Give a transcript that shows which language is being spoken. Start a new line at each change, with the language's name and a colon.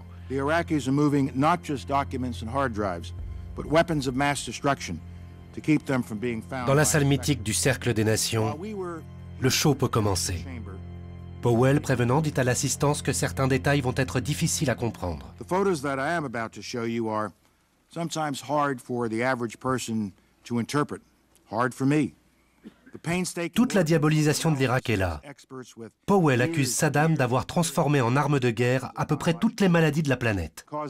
French: Les Irakis sont
English: moving not just documents and hard drives, but weapons of mass destruction to keep them from being found.
French: Dans la salle mythique du Cercle des Nations, le show peut commencer. Powell, prévenant, dit à l'assistance que certains détails vont être difficiles à comprendre.
English: The photos that I am about to show you are sometimes hard for the average person to interpret. Hard for me.
French: Toute la diabolisation de l'Irak est là. Powell accuse Saddam d'avoir transformé en arme de guerre à peu près toutes les maladies de la planète.